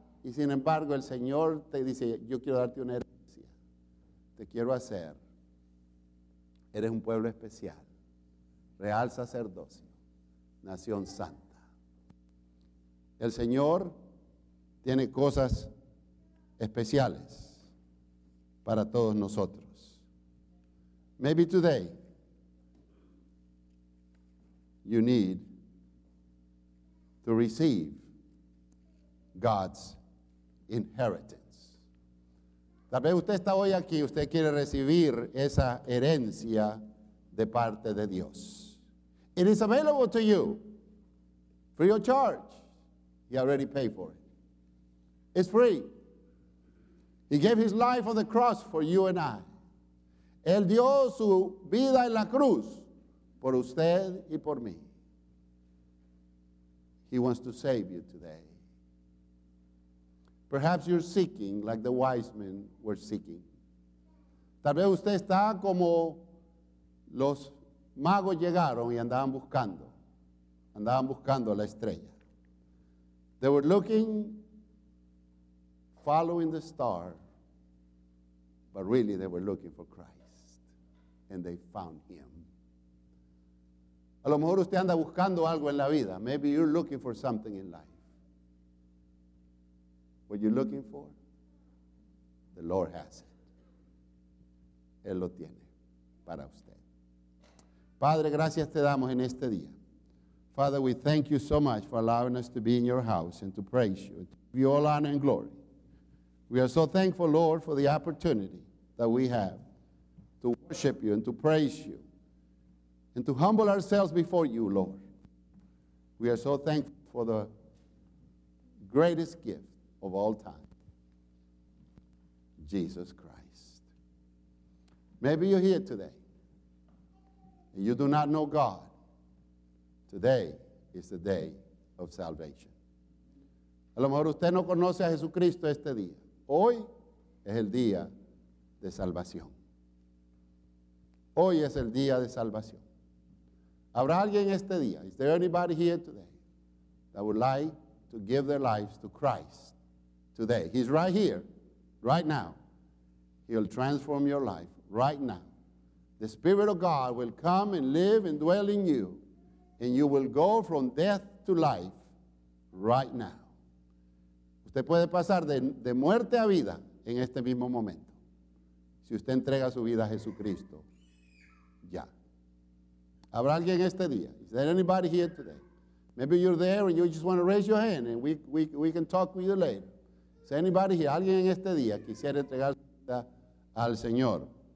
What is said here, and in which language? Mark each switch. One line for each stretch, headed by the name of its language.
Spanish: Y sin embargo, el Señor te dice, yo quiero darte una herencia. Te quiero hacer. Eres un pueblo especial, real sacerdocio, nación santa. El Señor tiene cosas especiales para todos nosotros.
English: Maybe today you need to receive God's inheritance.
Spanish: Tal vez usted está hoy aquí, usted quiere recibir esa herencia de parte de Dios.
English: It is available to you, free of charge. He already paid for it. It's free. He gave his life on the cross for you and I.
Spanish: Él dio su vida en la cruz por usted y por mí.
English: He wants to save you today. Perhaps you're seeking like the wise men were seeking.
Spanish: Tal vez usted está como los magos llegaron y andaban buscando la estrella.
English: They were looking, following the star, but really they were looking for Christ. And they found him.
Spanish: A lo mejor usted anda buscando algo en la vida.
English: Maybe you're looking for something in life. What you're looking for? The Lord has it.
Spanish: Él lo tiene para usted. Padre, gracias te damos en este día.
English: Father, we thank you so much for allowing us to be in your house and to praise you, to give you all honor and glory. We are so thankful, Lord, for the opportunity that we have to worship you and to praise you and to humble ourselves before you, Lord. We are so thankful. for the greatest gift of all time, Jesus Christ. Maybe you're here today and you do not know God. Today is the day of salvation.
Spanish: A lo mejor usted no conoce a Jesucristo este día. Hoy es el día de salvación. Hoy es el día de salvación. ¿Habrá alguien este día?
English: Is there anybody here today that would like to give their lives to Christ today? He's right here, right now. He'll transform your life right now. The Spirit of God will come and live and dwell in you, and you will go from death to life right now.
Spanish: Usted puede pasar de muerte a vida en este mismo momento si usted entrega su vida a Jesucristo. ¿Habrá alguien este día?
English: Is there anybody here today? Maybe you're there and you just want to raise your hand and we can talk with you later. Is there anybody here?
Spanish: ¿Alguien en este día quisiera entregar su vida al Señor?